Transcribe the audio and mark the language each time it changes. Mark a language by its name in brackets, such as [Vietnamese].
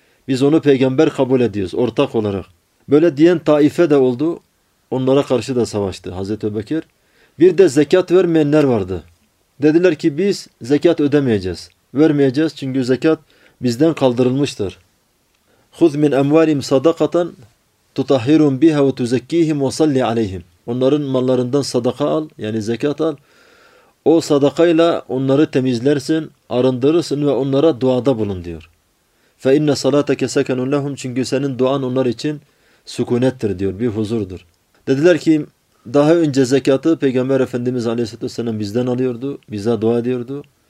[Turkish] Biz onu peygamber kabul ediyoruz ortak olarak. Böyle diyen taife de oldu. Onlara karşı da savaştı Hazreti Ebubekir. Bir de zekat vermeyenler vardı. Dediler ki biz zekat ödemeyeceğiz. Vermeyeceğiz çünkü zekat bizden kaldırılmıştır. [Arabic] خُذْ مِنْ اَمْوَالِهِمْ صَدَقَةً تُطَحِّرُهُمْ بِهَا وَتُزَكِّيهِمْ وَصَلِّ عَلَيْهِمْ [Turkish] Onların mallarından sadaka al yani zekat al. O sadakayla onları temizlersin, arındırırsın ve onlara duada bulun diyor. [Arabic] فَاِنَّ صَلَاتَكَ سَكَنٌ لَهُمْ [Turkish] Çünkü senin duan onlar için sükunettir diyor, bir huzurdur. Dediler ki daha önce zekatı Peygamber Efendimiz Aleyhisselatü Vesselam bizden alıyordu, bize dua ediyordu.